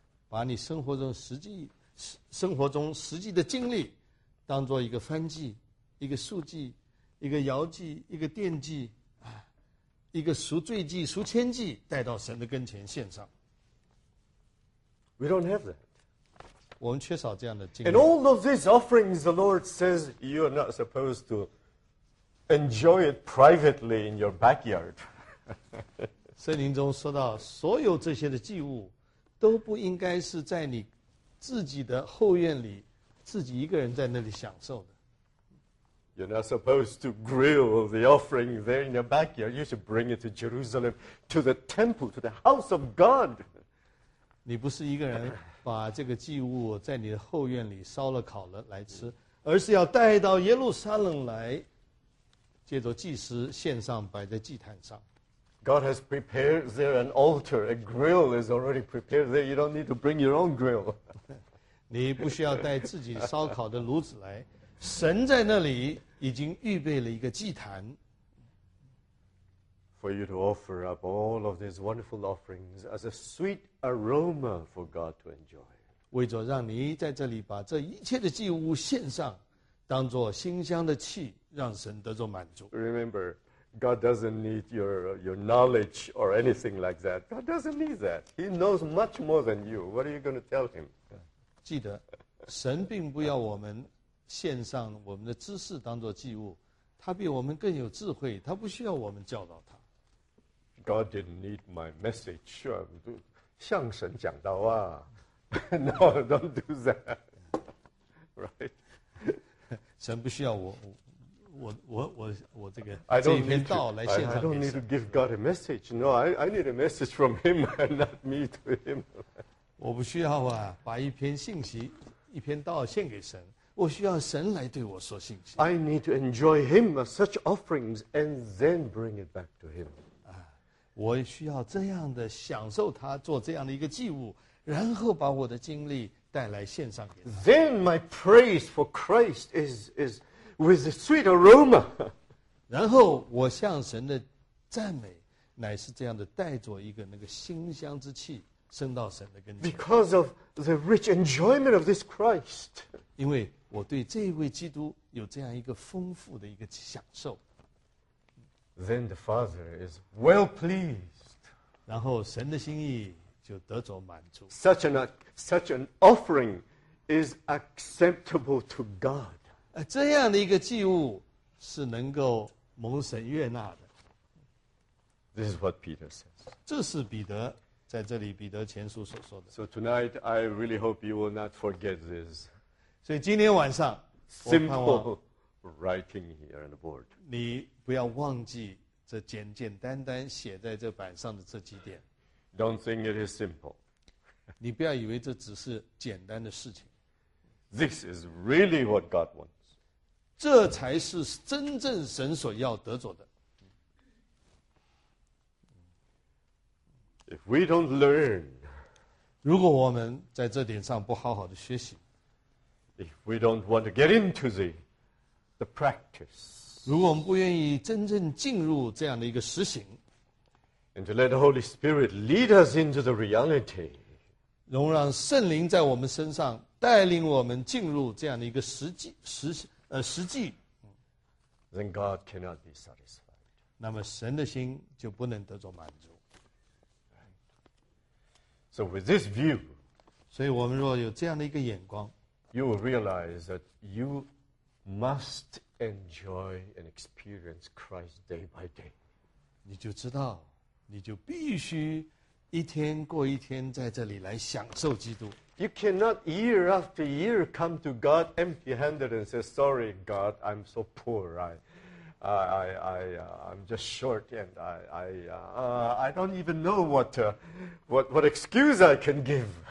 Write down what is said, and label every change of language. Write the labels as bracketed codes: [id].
[zh] 把你生活中实际的经历当做一个燔祭一个素祭一个摇祭一个奠祭一个赎罪祭赎愆祭带到神的跟前献上 [en] We don't have that [zh] 我们缺少这样的经历 [en] And all of these offerings the Lord says you are not supposed to enjoy it privately in your backyard [zh] 圣经中说到所有这些的祭物都不应该是在你自己的后院里自己一个人在那里享受的 [en] You're not supposed to grill the offering there in your backyard. You should bring it to Jerusalem, to the temple, to the house of God. [zh] 你不是一个人把这个祭物在你的后院里烧了烤了来吃而是要带到耶路撒冷来借着祭司献上摆在祭坛上 [en] God has prepared there an altar. A grill is already prepared there. You don't need to bring your own grill. [zh] 你不需要带自己烧烤的炉子来。神在那里已经预备了一个祭坛。 [en] For you to offer up all of these wonderful offerings as a sweet aroma for God to enjoy. [zh] 为着让你在这里把这一切的祭物献上，当作馨香的气，让神得着满足。 [en] Remember. God doesn't need your knowledge or anything like that. God doesn't need that. He knows much more than you. What are you going to tell him? [zh] 记得，神并不要我们献上我们的知识当作祭物，他比我们更有智慧，他不需要我们教导他。 [en] God didn't need my message. [zh] 向神讲道啊。 [en] No, don't do that. Right? [zh] 神不需要我。我这个这一篇道来献上。 [en] I don't need to give God a message. No, I need a message from Him and not me to Him. [zh] 我不需要啊，把一篇信息、一篇道献给神。我需要神来对我说信息。 [en] I need to enjoy Him as such offerings and then bring it back to Him. 啊， [zh] 我需要这样的享受他做这样的一个祭物，然后把我的经历带来献上给他。 [en] Then my praise for Christ is. With a sweet aroma. [zh] 然后我向神的赞美乃是这样的带着一个那个馨香之气升到神的跟前。 [en] Because of the rich enjoyment of this Christ. [zh] 因为我对这位基督有这样一个丰富的一个享受。 [en] Then the Father is well pleased. [zh] 然后神的心意就得着满足。 [en] Such an offering is acceptable to God. [zh] 这样的一个祭物是能够蒙神悦纳的。 [en] This is what Peter says. [zh] 这是彼得在这里彼得前书所说的。 [en] So tonight, I really hope you will not forget this. [zh] 所以今天晚上 [en] Simple writing here on the board. [zh] 你不要忘记这简简单单写在这板上的这几点。 [en] Don't think it is simple. [zh] 你不要以为这只是简单的事情。 [en] This is really what God wants. [zh] 这才是真正神所要得着的。 [en] If we don't learn, [zh] 如果我们在这点上不好好的学习， [en] If we don't want to get into the practice, [zh] 如果我们不愿意真正进入这样的一个实行， [en] And to let the Holy Spirit lead us into the reality, [zh] 容让圣灵在我们身上带领我们进入这样的一个实际， [en] Then God cannot be satisfied. [zh] 那么神的心就不能得着满足。 [en] So with this view, [zh] 所以我们若有这样的一个眼光， [en] you will realize that you must enjoy and experience Christ day by day. [zh] 你就知道，你就必须一天过一天在这里来享受基督。 [en] You cannot year after year come to God empty-handed and say, "Sorry, God, I'm so poor. I'm just short, and I don't even know what excuse I can give."